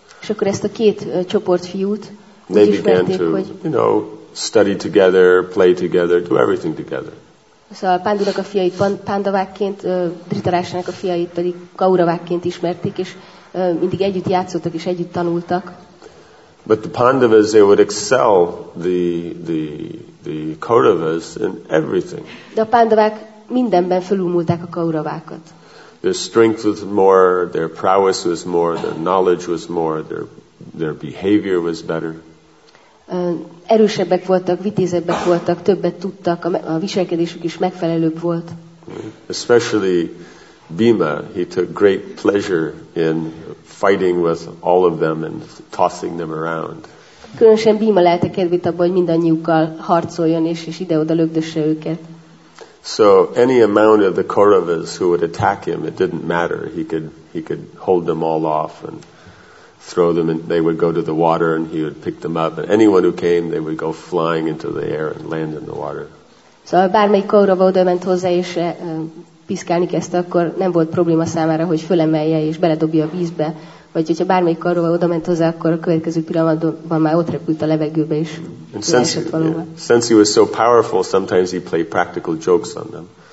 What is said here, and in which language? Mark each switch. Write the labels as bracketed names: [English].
[Hungarian] És akkor ezt a két csoport fiút, [English] they began to, you know, study together, play together, do everything together. [Hungarian] Szóval Pandu-nak a fiait Pandavákként, Dhritarashtra-nak a fiait pedig Kauravákként ismerték, és mindig együtt játszottak és együtt tanultak. [English] But the Pandavas, they would excel the Kauravas in everything. [Hungarian] De a Pandavák mindenben felülmúlták a Kauravákat. [English] Their strength was more, their prowess was more, their knowledge was more, their behavior was better. [Hungarian] Erősebbek voltak, vitézebbek voltak, többet tudtak, a viselkedésük is megfelelőbb volt. [English] Especially Bhima, he took great pleasure in fighting with all of them and tossing them around. [Hungarian] Különösen Bhima lehet a kedvét abban, hogy mindannyiukkal harcoljon és ide-oda lögdösse őket. [English] So any amount of the Kauravas who would attack him, it didn't matter. He could hold them all off and throw them, and they would go to the water and he would pick them up. And anyone who came, they would go flying into the air and land in the water. [Hungarian] So bármely Kaurava oda ment hozzá és piszkálni kezdte, akkor nem volt probléma számára, hogy fölemelje és beledobja a vízbe. Vagy hogyha bármelyik karról oda ment hozzá, akkor a következő pillanatban már ott repült a levegőbe is. [English] Since he was so powerful, sometimes he played practical jokes on them.